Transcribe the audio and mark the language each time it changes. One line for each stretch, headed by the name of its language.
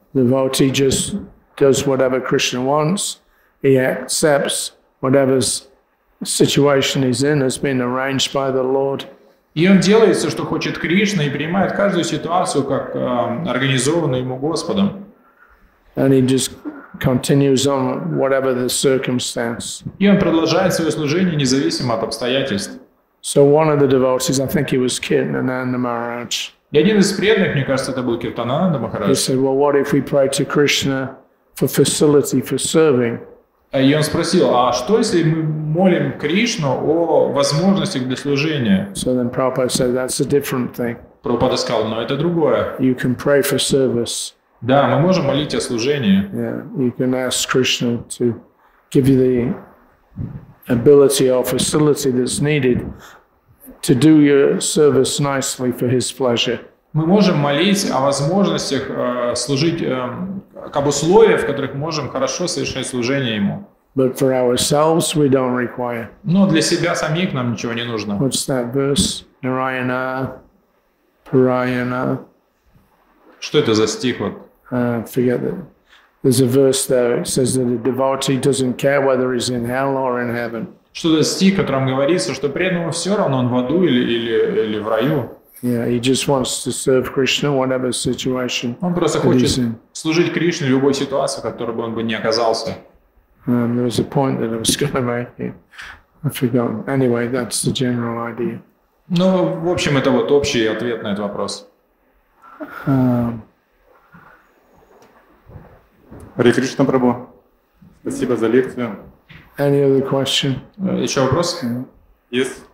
English: The devotee just does whatever Krishna wants. He accepts whatever situation he's in has been arranged by the Lord.
Russian: И он делает все, что хочет Кришна, и принимает каждую ситуацию, как организованную ему Господом.
English: And he just continues on whatever the circumstance.
Russian: И он продолжает свое служение независимо от обстоятельств.
English: So one of the devotees, I think he was Kirtananda Maharaj.
Russian: И один из преданных, мне кажется, это был Киртананда Махарадж.
English: He said, "Well, what if we pray to Krishna for facility for serving?"
Russian: И он спросил, а что если мы молим Кришну о возможностях для служения?
English: So then Prabhupada said, "That's a different thing."
Russian: Прабхупада сказал, но это другое.
English: You can pray for service.
Russian: Да, мы можем молить о служении.
English: Yeah, you can ask Krishna to give you the ability or facility that's needed to do your service nicely for His pleasure.
Russian: Мы можем молить о возможностях служить, как условиях, в которых можем хорошо совершать служение Ему.
English: But for ourselves, we don't require.
Russian: Но для себя самих нам ничего не нужно.
English: What's that verse? Narayana, Parayana.
Russian: Что это за стих вот?
English: Forget it. There's a verse there. It says that a devotee doesn't care whether he's in hell or in heaven.
Russian: Что за стих, в котором говорится, что преданному все равно, он в аду или в раю?
English: Yeah, he just wants to serve Krishna, whatever situation.
Russian: Он просто хочет служить Кришне в любой ситуации, в которой бы он бы не оказался.
English: There was a point that I was going to make. I forgot. Anyway, that's the general idea.
Russian: Ну, в общем, это вот общий ответ на этот вопрос. Хари Кришна Прабху. Спасибо за лекцию.
English: Any other question?
Russian: Еще вопрос?
English: Yes.